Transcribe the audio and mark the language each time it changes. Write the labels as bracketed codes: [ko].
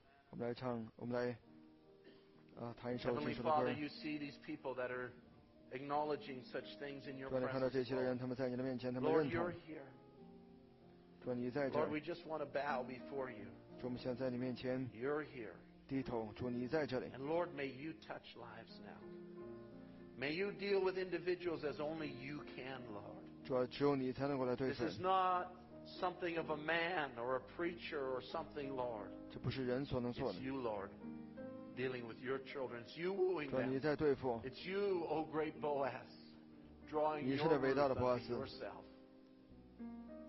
[zh] 我们来唱，我们来弹一首这首的歌。主，你看到这些的人，他们在你的面前，他们认同。主，你在这儿。主，我们现在在你面前低头。主，你在这里。 [en] And Lord, may you touch lives now. May you deal with individuals as only you can, Lord. [zh] 主，只有你才能够来对付。 [en] This is not. Something of a man or a preacher or something, Lord. [zh] 这不是人所能做的。 [en] It's you, Lord, dealing with your children. It's you wooing them. [zh] 你在对付。 [en] It's you, O great Boaz, drawing your love unto yourself.